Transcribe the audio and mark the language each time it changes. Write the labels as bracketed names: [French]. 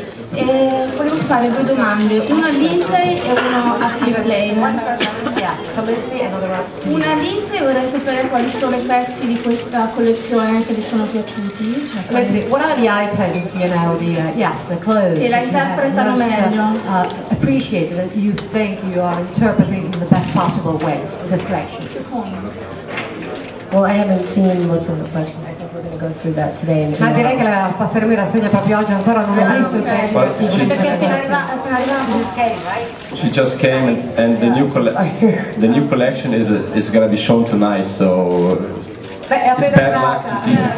[Italian] Volevo fare due domande, una a Lindsay e una a Philipp Plein. Una a Lindsay, vorrei sapere quali sono I pezzi di questa collezione che le sono piaciuti. [English] Lindsay, what are the items, you know, the, yes, the clothes [Italian] che la interpretano meglio? [English] Appreciate that you think you are interpreting in the best possible way this collection. Well, I haven't seen most of the collection. Going to go through that today. [Italian] Ma direi che la passeremo in rassegna proprio oggi, ancora non l'ho visto. [English] She just came and the new collection is going to be shown tonight, so it's bad luck to see